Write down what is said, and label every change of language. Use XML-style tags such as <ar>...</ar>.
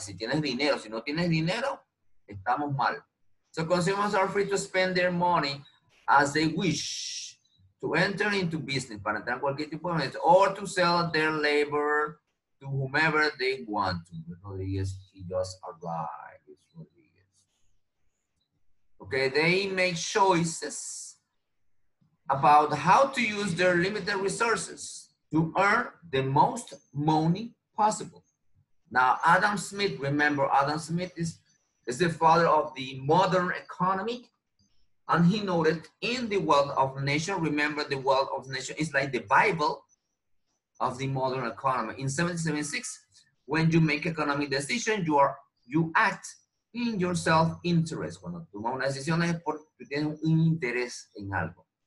<es>Si tienes dinero, si no tienes dinero, estamos mal.</es> <en>So consumers are free to spend their money as they wish to enter into business,</en> <es>para entrar en cualquier tipo de business,</es> <en>or to sell their labor to whomever they want to. Rodriguez, he just arrived. Rodriguez. Okay, they make choices about how to use their limited resources to earn the most money possible. Now, Adam Smith, remember, Adam Smith is the father of the modern economy. And he noted in the Wealth of Nations, remember, the Wealth of Nations is like the Bible of the modern economy. In 1776, when you make economic decisions, you act in your self-interest.</en> <es>Cuando tomas una decisión es porque tienes un interés en algo.</es>